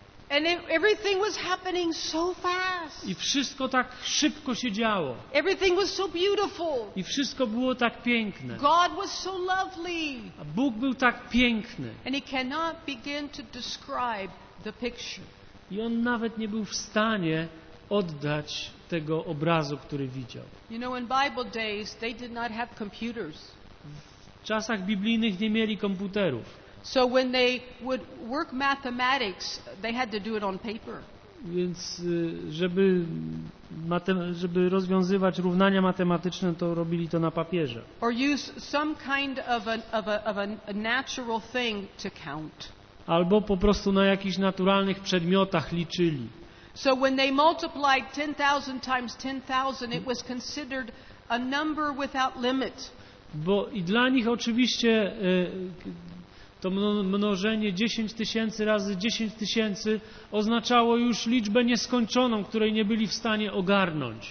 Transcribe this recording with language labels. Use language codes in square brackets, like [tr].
[en] And everything was happening so fast. [pl] I wszystko tak szybko się działo. [en] Everything was so beautiful. [pl] I wszystko było tak piękne. [en] God was so lovely. [pl] A Bóg był tak piękny. [en] And he cannot begin to describe the picture. [pl] I on nawet nie był w stanie oddać tego obrazu, który widział. [en] You know, in Bible days, they did not have computers. [pl] W czasach biblijnych nie mieli komputerów. [en] So when they would work mathematics, they had to do it on paper. [pl] Więc żeby rozwiązywać równania matematyczne, to robili to na papierze. [en] Or use some kind of a natural thing to count. [pl] Albo po prostu na jakichś naturalnych przedmiotach liczyli. [en] So when they multiplied 10,000 times 10,000, it was considered a number without limit. [pl] Bo i dla nich oczywiście to mnożenie 10 tysięcy razy 10 tysięcy oznaczało już liczbę nieskończoną, której nie byli w stanie ogarnąć.